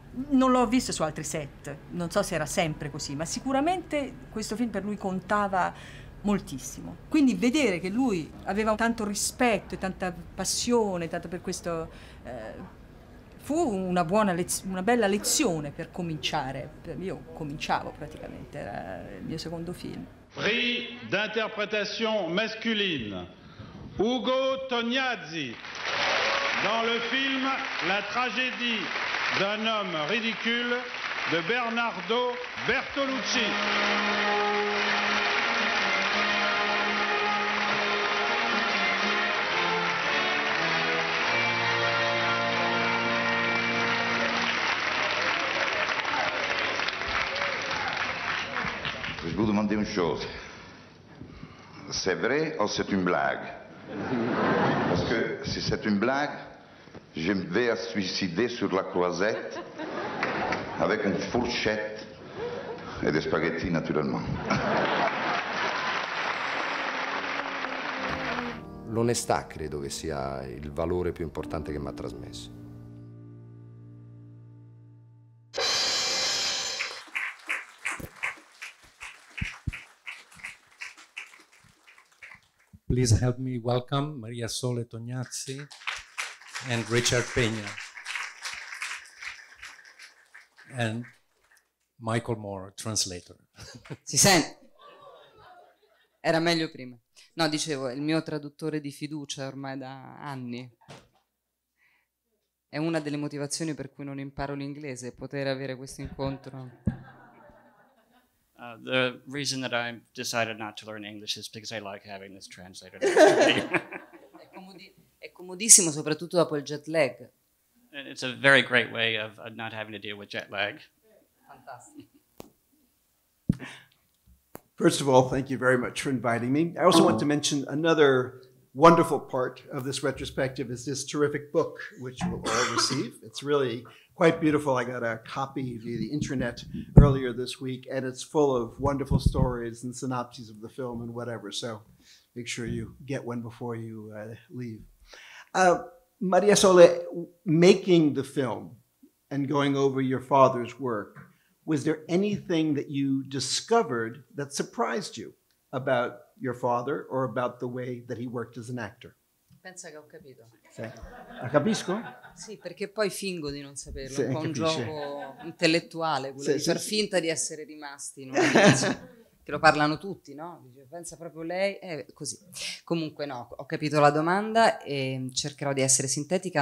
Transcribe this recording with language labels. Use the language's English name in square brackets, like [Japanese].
[Italian] Non l'ho visto su altri set, non so se era sempre così, ma sicuramente questo film per lui contava moltissimo. Quindi vedere che lui aveva tanto rispetto e tanta passione, tanto per questo... Fu una buona una bella lezione per cominciare. Io cominciavo praticamente, era il mio secondo film. [French] Prix d'interprétation masculine, Ugo Tognazzi, dans le film La tragédie d'un homme ridicule de Bernardo Bertolucci. Je vous demander une chose. C'est vrai ou c'est une blague? Parce que si c'est une blague, je vais me suicider sur la croisette avec une fourchette et des spaghettis naturellement. [Italian] L'onestà credo che sia il valore più importante che mi ha trasmesso. [English] Please help me welcome Maria Sole Tognazzi and Richard Peña and Michael Moore, translator. [Italian] Si sente? Era meglio prima. No, dicevo, è il mio traduttore di fiducia ormai da anni. È una delle motivazioni per cui non imparo l'inglese, poter avere questo incontro. [English] The reason that I decided not to learn English is because I like having this translator. [Italian] È comodissimo, soprattutto dopo il jet lag. [English] And it's a very great way of not having to deal with jet lag. Fantastic. First of all, thank you very much for inviting me. I also want to mention another wonderful part of this retrospective is this terrific book, which we'll all receive. It's really quite beautiful. I got a copy via the internet earlier this week, and it's full of wonderful stories and synopses of the film and whatever. So make sure you get one before you leave. Maria Sole, making the film and going over your father's work, was there anything that you discovered that surprised you about your father or about the way that he worked as an actor? [Italian] Pensa che ho capito. Sì. Capisco? Sì, perché poi fingo di non saperlo, sì, un po' capisce. Un gioco intellettuale, quello sì, di far finta di essere rimasti in una che lo parlano tutti, no? Dice, pensa proprio lei, così. Comunque no, ho capito la domanda e cercherò di essere sintetica.